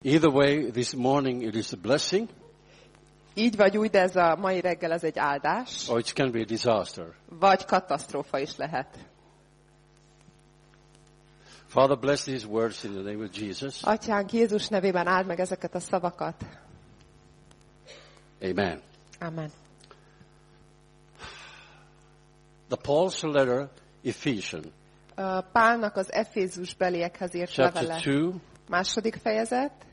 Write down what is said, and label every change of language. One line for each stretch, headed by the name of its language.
English: Either way, this morning it is a blessing.
Hungarian: Így vagy úgy, ez a mai reggel ez egy áldás.
English: Or it can be a disaster.
Hungarian: Vagy katasztrófa is lehet.
English: Father, bless these words in the name of Jesus.
Hungarian: Atyánk, Jézus nevében áld meg ezeket a szavakat.
English: Amen.
Hungarian: Amen.
English: The Paul's letter, Ephesians.
Hungarian: Pálnak az Efézus beliekhez írt levele. Második fejezet.